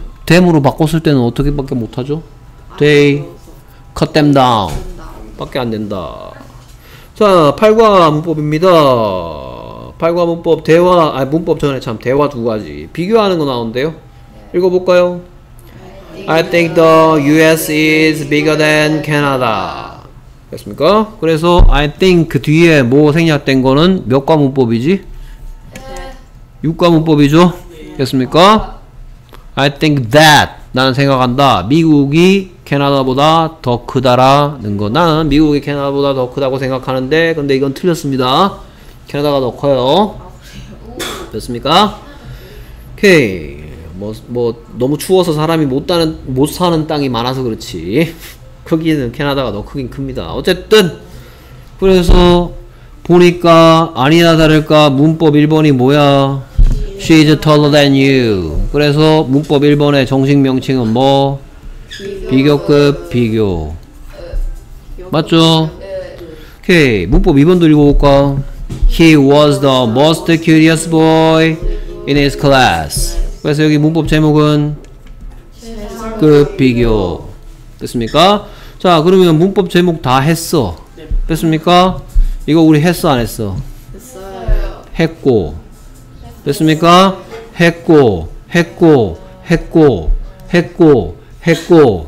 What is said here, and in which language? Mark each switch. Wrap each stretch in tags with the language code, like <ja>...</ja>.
<ko>them으로 바꿨을 때는 어떻게밖에 못하죠?</ko> <en>They cut them down.</en> <ko>밖에 안 된다. 자, 8과 문법입니다. 8과 문법 대화 아 문법 전에 참 대화 두 가지 비교하는 거 나오는데요. 읽어볼까요?</ko> <en>I think the US is bigger than Canada.</en> <ko>됐습니까? 그래서</ko> <en>I think</en> <ko>뒤에 뭐 생략된 거는 몇 과 문법이지? 6과 문법이죠? 됐습니까?</ko> <en>I think that</en> <ko>나는 생각한다. 미국이 캐나다보다 더 크다라는 거. 나는 미국이 캐나다보다 더 크다고 생각하는데 근데 이건 틀렸습니다. 캐나다가 더 커요. 됐습니까? 오케이. 뭐 너무 추워서 사람이 못 사는 땅이 많아서 그렇지 크기는 캐나다가 더 크긴 큽니다. 어쨌든 그래서 보니까 아니나 다를까 문법 1번이 뭐야?</ko> <en>She is taller than you.</en> <ko>그래서 문법 1번의 정식 명칭은 뭐? 비교급 비교. 맞죠? 오케이 문법 2번도 읽어볼까?</ko> <en>He was the most curious boy in his class.</en> <ko>그래서 여기 문법 제목은 급 비교 됐습니까? 자 그러면 문법 제목 다 했어 됐습니까? 이거 우리 했어 안 했어? 했어요. 했고 됐습니까? 했고 했고 했고 했고 했고</ko>